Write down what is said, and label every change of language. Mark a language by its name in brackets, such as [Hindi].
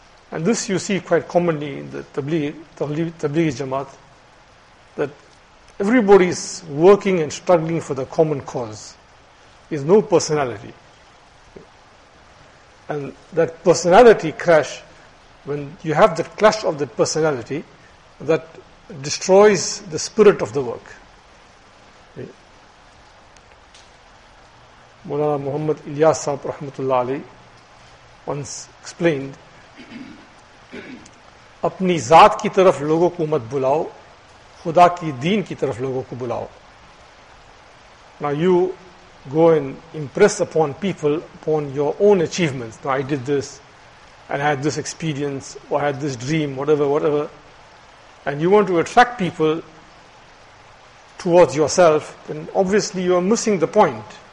[English] And this you see quite commonly in the Tablighi Jamaat, that everybody is working and struggling for the common cause. There's no personality. And that personality crash, when you have the clash of the personality, that destroys the spirit of the work. [Urdu] Mawlana Muhammad Ilyas Sahib Rahmatullah Ali [English] once explained, [Urdu] اپنی ذات کی طرف لوگوں کو مت بلاؤ, خدا کی دین کی طرف لوگوں کو بلاؤ. [English] Now you go and impress upon people upon your own achievements. Now I did this and I had this experience or I had this dream, whatever, whatever. And you want to attract people towards yourself, then obviously you are missing the point.